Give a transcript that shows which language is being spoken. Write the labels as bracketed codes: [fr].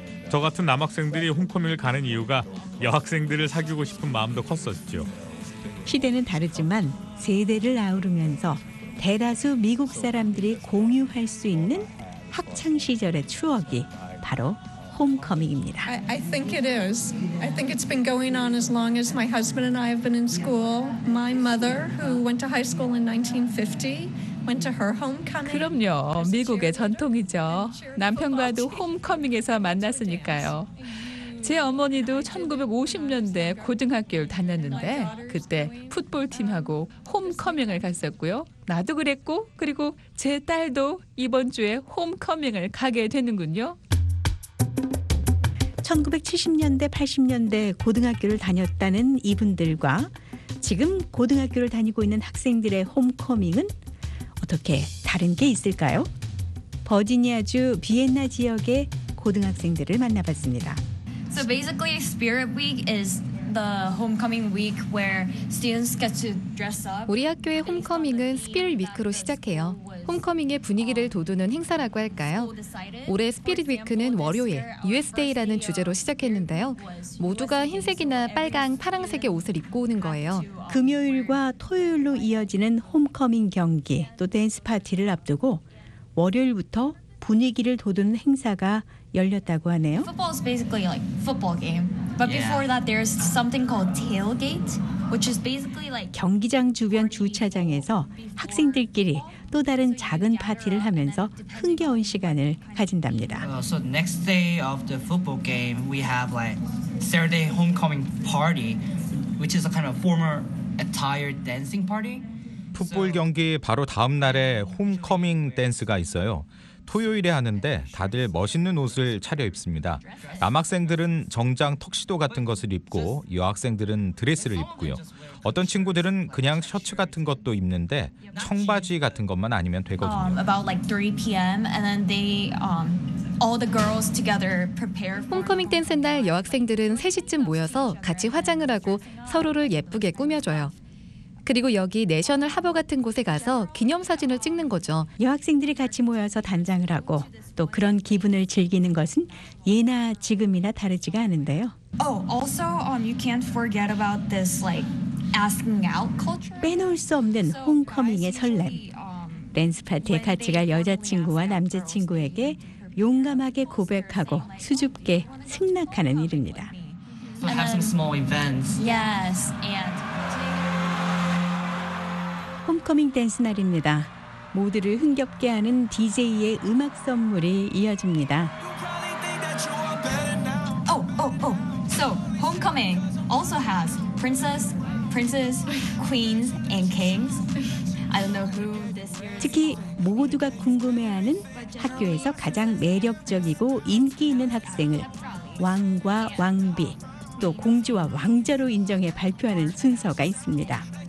[ko] 저 같은 남학생들이 홈커밍을 가는 이유가 여학생들을 사귀고 싶은 마음도 컸었죠. 시대는 다르지만 세대를 아우르면서 대다수 미국 사람들이 공유할 수 있는 학창 시절의 추억이 바로 홈커밍입니다. [en] I think it is. I think it's been going on as long as my husband and I have been in school. My mother, who went to high school in 1950, went to her homecoming. [ko] 그럼요. 미국의 전통이죠. 남편과도 홈커밍에서 만났으니까요. 제 어머니도 1950년대 고등학교를 다녔는데 그때 풋볼팀하고 홈커밍을 갔었고요. 나도 그랬고 그리고 제 딸도 이번 주에 홈커밍을 가게 되는군요. 1970년대, 80년대 고등학교를 다녔다는 이분들과 지금 고등학교를 다니고 있는 학생들의 홈커밍은 어떻게 다른 게 있을까요? 버지니아주 비엔나 지역의 고등학생들을 만나봤습니다. [en] So basically, Spirit Week is the homecoming week where students get to dress up. [ko] 우리 학교의 홈커밍은 Spirit Week로 시작해요. 홈커밍의 분위기를 돋우는 행사라고 할까요? 올해 스피릿 위크는 월요일, US Day라는 주제로 시작했는데요. 모두가 흰색이나 빨강, 파랑색의 옷을 입고 오는 거예요. 금요일과 토요일로 이어지는 홈커밍 경기, 또 댄스 파티를 앞두고 월요일부터 분위기를 돋우는 행사가 열렸다고 하네요. [en] Football is basically like football game. But before that there's something called tailgate, which is basically like [ko] 경기장 주변 주차장에서 학생들끼리 또 다른 작은 파티를 하면서 흥겨운 시간을 가진답니다. [en] So next day of the football game, we have like Saturday homecoming party, which is a kind of formal attire dancing party. [ko] 풋볼 경기 바로 다음 날에 홈커밍 댄스가 있어요. 토요일에 하는데 다들 멋있는 옷을 차려입습니다. 남학생들은 정장 턱시도 같은 것을 입고 여학생들은 드레스를 입고요. 어떤 친구들은 그냥 셔츠 같은 것도 입는데 청바지 같은 것만 아니면 되거든요. [en] About like 3 p.m. and then they all the girls together prepare. [ko] 홈커밍 댄스 날 여학생들은 3시쯤 모여서 같이 화장을 하고 서로를 예쁘게 꾸며줘요. 그리고 여기 내셔널 하버 같은 곳에 가서 기념사진을 찍는 거죠. 여학생들이 같이 모여서 단장을 하고 또 그런 기분을 즐기는 것은 예나 지금이나 다르지가 않은데요. [en] Oh, also you can't forget about this like asking out culture. [ko] 빼놓을 수 없는 홈커밍의 설렘. 댄스 파티에 같이 갈 여자친구와 남자친구에게 용감하게 고백하고 수줍게 승낙하는 일입니다. [en] So have some small events. Yes, and [ko] 홈커밍 댄스 날입니다. 모두를 흥겹게 하는 DJ의 음악 선물이 이어집니다. [en] So homecoming also has princes, queens and kings. I don't know who this year. [ko] 특히 모두가 궁금해하는 학교에서 가장 매력적이고 인기 있는 학생을 왕과 왕비, 또 공주와 왕자로 인정해 발표하는 순서가 있습니다.